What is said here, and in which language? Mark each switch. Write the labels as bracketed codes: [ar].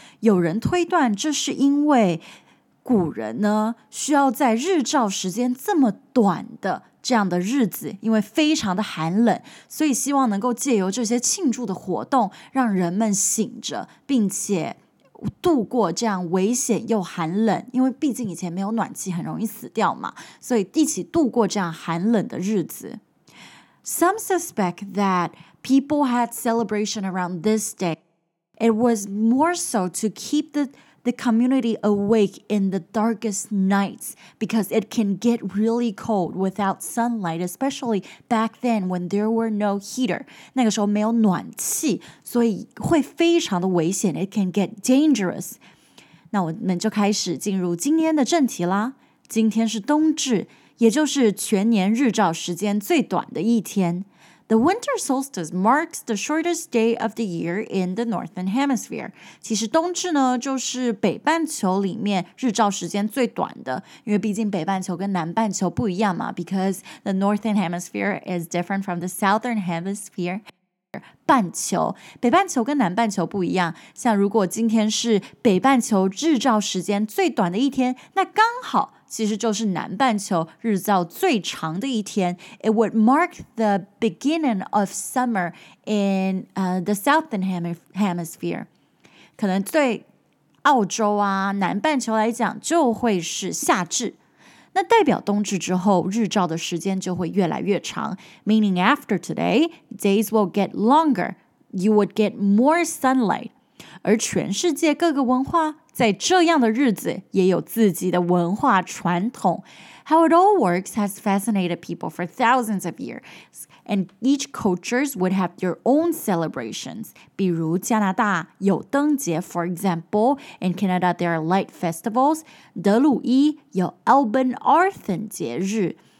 [zh] 有人推断这是因为 古人呢, 需要在日照时间这么短的这样的日子, 因为非常的寒冷, 所以希望能够借由这些庆祝的活动, 让人们醒着, 并且度过这样危险又寒冷, 因为毕竟以前没有暖气, 很容易死掉嘛, 所以一起度过这样寒冷的日子。 [en] Some suspect that people had celebration around this day. It was more so to keep the community awake in the darkest nights because it can get really cold without sunlight, especially back then when there were no heater. [zh] 那个时候没有暖气, 所以会非常的危险, [en] it can get dangerous. [zh] 那我们就开始进入今天的正题啦。今天是冬至, 也就是全年日照时间最短的一天。 [en] The winter solstice marks the shortest day of the year in the northern hemisphere. [zh] 其实冬至呢，就是北半球里面日照时间最短的，因为毕竟北半球跟南半球不一样嘛。 [en] Because the northern hemisphere is different from the southern hemisphere. [zh] 半球，北半球跟南半球不一样，像如果今天是北半球日照时间最短的一天，那刚好其实就是南半球日照最长的一天。 [en] It would mark the beginning of summer in the southern hemisphere. [zh] 可能对澳洲啊，南半球来讲就会是夏至。那代表冬至之后，日照的时间就会越来越长。 [en] Meaning after today, days will get longer. You would get more sunlight. [zh] 而全世界各个文化在这样的日子也有自己的文化传统。 [en] How it all works has fascinated people for thousands of years. And each cultures would have their own celebrations. [zh] 比如加拿大有灯节 [en] for example. In Canada, there are light festivals. [zh] 德鲁伊有 Albin Arthur 节日。